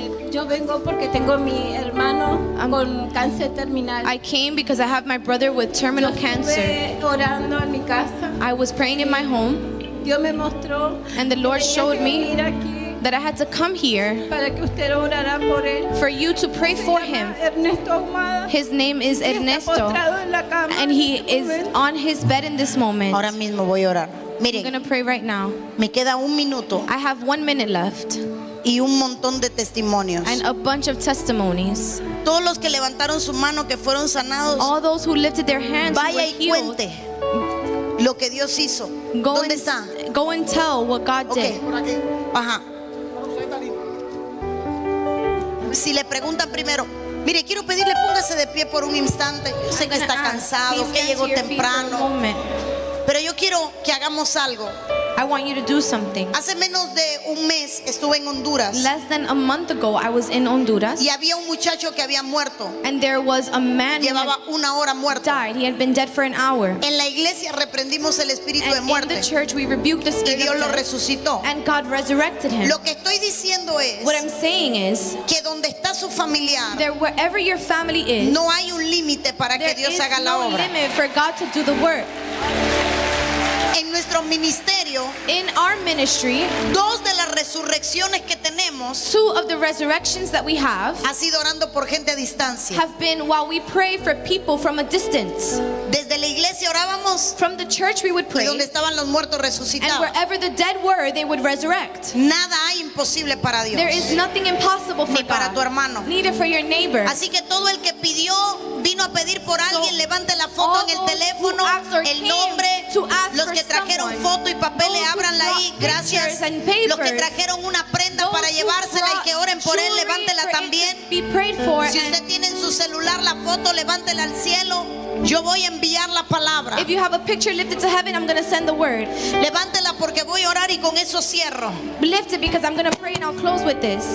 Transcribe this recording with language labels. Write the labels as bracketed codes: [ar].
[es] Yo vengo porque tengo mi hermano con cáncer terminal. [en] I came because I have my brother with terminal cancer. [es] Orando en mi casa. [en] I was praying in my home. [es] Dios me mostró. [en] And the Lord showed me. That I had to come here [es] para que usted orara por él. [en] For you to pray [es] se [en] for him. [es] Ernesto Ahumada. [en] His name is Ernesto. And he is on his bed in this moment. [es] Ahora mismo voy a orar. Mire, [en] I'm going to pray right now. [es] Me queda un minuto. [en] I have 1 minute left. [es] Y un montón de testimonios. [en] And a bunch of testimonies. [es] Todos los que levantaron su mano, que fueron sanados, [en] all those who lifted their hands [es] vaya [en] who were [es] y cuente lo que Dios hizo. [en] Go [es] ¿Dónde está? [en] Go and tell what God okay. did. Ajá. [es] Si le preguntan primero, mire, quiero pedirle póngase de pie por un instante. Yo sé que está cansado, que llegó temprano. Pero yo quiero que hagamos algo. [en] I want you to do something. [es] Hace menos de un mes estuve en Honduras. [en] Less than a month ago, I was in Honduras. [es] Y había un muchacho que había muerto. [en] And there was a man [es] llevaba [en] who had [es] una hora muerto. [en] Died. He had been dead for an hour. [es] En la iglesia reprendimos el espíritu [en] and [es] de muerte. [en] In the church we rebuked the spirit [es] y Dios [en] of death. [es] Lo resucitó. [en] And God resurrected him. [es] Lo que estoy diciendo es [en] what I'm saying is [es] que donde está su familiar, [en] there, wherever your family is, [es] no hay un límite para que Dios haga la obra. [en] There is no limit for God to do the work. [es] En nuestro ministerio, [en] in our ministry, [es] dos de las resurrecciones que tenemos, [en] two of the resurrections that we have, [es] ha sido orando por gente a distancia. [en] Have been while we pray for people from a distance. [es] Desde la iglesia orábamos, [en] from the church we would pray, [es] y donde estaban los muertos resucitados. [en] And wherever the dead were, they would resurrect. [es] Nada hay imposible para Dios. [en] There is nothing impossible for [es] ni para [en] God, [es] tu hermano, [en] neither for your neighbor. [es] Así que todo el que pidió, vino a pedir por alguien, levante la foto en el teléfono, el nombre, los que trajeron foto y papeles, ábranla ahí, gracias. Los que trajeron una prenda para llevársela y que oren por él, levántela también. [en] Be prayed for, [es] si usted tiene en su celular la foto, levántela al cielo. Yo voy a enviar la palabra. [en] If you have a picture lifted to heaven, I'm going to send the word. [es] Levántela porque voy a orar y con eso cierro. [en] Lift it because I'm going to pray and I'll close with this.